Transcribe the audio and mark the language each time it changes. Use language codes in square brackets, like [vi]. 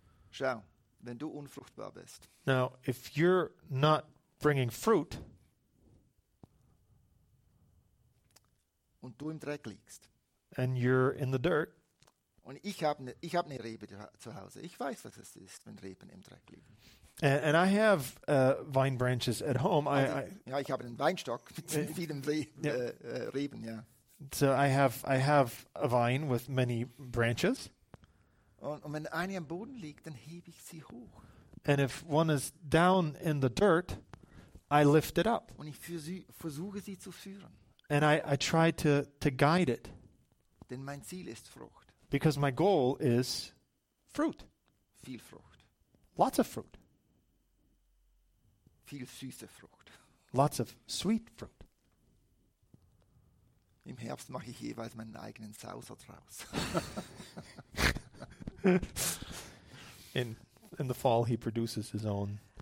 [de] Schau, wenn du unfruchtbar bist. [en] Now, if you're not bringing fruit, [de] und du im Dreck liegst. [en] And you're in the dirt. [de] Und ich hab ne Rebe zu Hause. Ich weiß, was es ist, wenn Reben im Dreck liegen. [en] And I have vine branches at home. [de] Ich habe einen Weinstock mit vielen Reben, ja. [en] So I have a vine with many branches. [de] Und wenn eine am Boden liegt, dann hebe ich sie hoch. [en] And if one is down in the dirt, I lift it up. [de] Und ich versuche sie zu führen. [en] And I try to guide it. [de] Denn mein Ziel ist Frucht. [en] Because my goal is fruit. [de] Viel Frucht. [en] Lots of fruit. [de] Viel süße Frucht. [en] Lots of sweet fruit. [de] Im Herbst mache ich jeweils meinen eigenen Sauser draus. [en] In the fall he produces his own.